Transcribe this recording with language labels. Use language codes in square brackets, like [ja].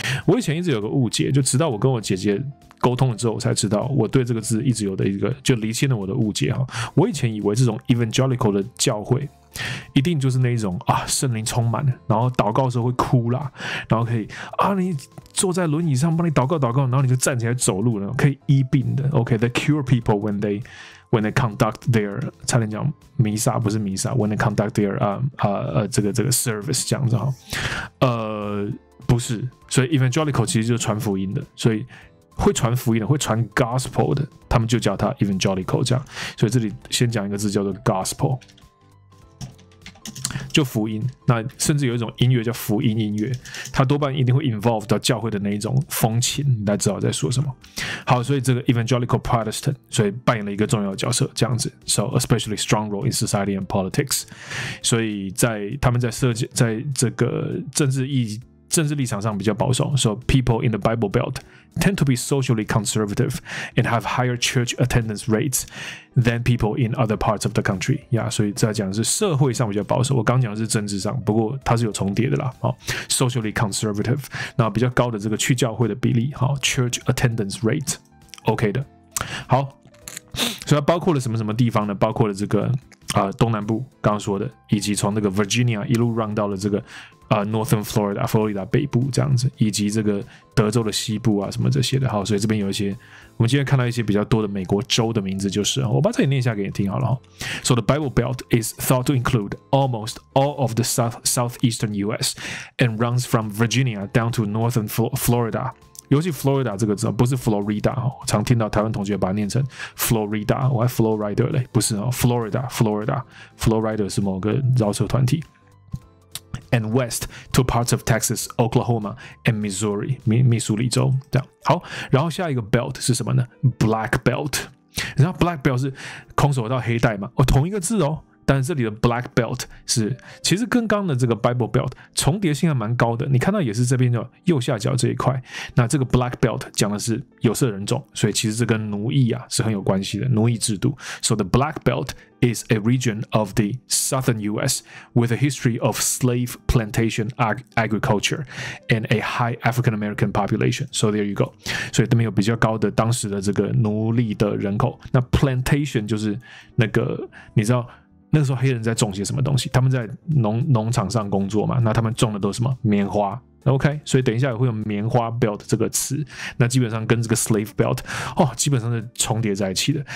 [zh] 我以前一直有个误解，就直到我跟我姐姐沟通了之后，我才知道我对这个字一直有的一个就厘清了我的误解。我以前以为这种 evangelical 的教会一定就是那一种啊，圣灵充满，然后祷告的时候会哭啦，然后可以啊，你坐在轮椅上帮你祷告祷告，然后你就站起来走路了，可以医病的。 [en] OK， they cure people when they conduct their [zh] 差点讲弥撒不是弥撒 [en] ，when they conduct their [zh] 这个 [en] service [zh] 这样子哈。不是，所以 evangelical 其实就是传福音的，所以会传福音的，会传 gospel 的，他们就叫它 evangelical 这样。所以这里先讲一个字叫做 gospel。就福音，那甚至有一种音乐叫福音音乐，它多半一定会 involve 到教会的那一种风情，大家知道我在说什么。好，所以这个 evangelical Protestant 所以扮演了一个重要的角色，这样子。 [en] So especially strong role in society and politics， [zh] 所以在他们在设计在这个政治立场上比较保守。 [en] So people in the Bible Belt tend to be socially conservative and have higher church attendance rates than people in other parts of the country. [zh] Yeah, 所以在讲的是社会上比较保守，我刚讲的是政治上，不过它是有重叠的啦。哦、socially conservative， 那比较高的这个去教会的比例、哦、church attendance rate OK 的。好，所以它包括了什么什么地方呢？包括了这个、东南部刚刚说的，以及从那个 Virginia 一路 run 到了这个Northern Florida， 佛罗里达北部这样子，以及这个德州的西部啊，什么这些的。好，所以这边有一些，我们今天看到一些比较多的美国州的名字，就是我把这里念一下给你听好了。 [en] So the Bible Belt is thought to include almost all of the southeastern U.S. and runs from Virginia down to Northern Florida。 [zh] 尤其 Florida 这个字，不是 Florida， 常听到台湾同学把它念成 Florida， 我还 Florida 嘞，不是哦 ，Florida，Florida，Florida 是某个饶舌团体。 [en] And west to parts of Texas, Oklahoma, and Missouri, [zh] 密苏里州这样。好，然后下一个 belt 是什么呢 ？Black belt。你知道 black belt 是空手道黑带吗？哦，同一个字哦。但是这里的 black belt 是其实跟刚的这个 Bible belt 重叠性还蛮高的。你看到也是这边的右下角这一块。那这个 black belt 讲的是有色人种，所以其实这跟奴役啊是很有关系的，奴役制度。 [en] So the black belt is a region of the southern U.S. with a history of slave plantation agriculture and a high African American population. So there you go. [zh] 所以这边有比较高的当时的这个奴隶的人口。那 plantation 就是那个你知道。那个时候黑人在种些什么东西？他们在农场上工作嘛，那他们种的都是什么棉花？ OK， 所以等一下也会有棉花 belt 这个词，那基本上跟这个 slave belt、哦、基本上是重叠在一起的。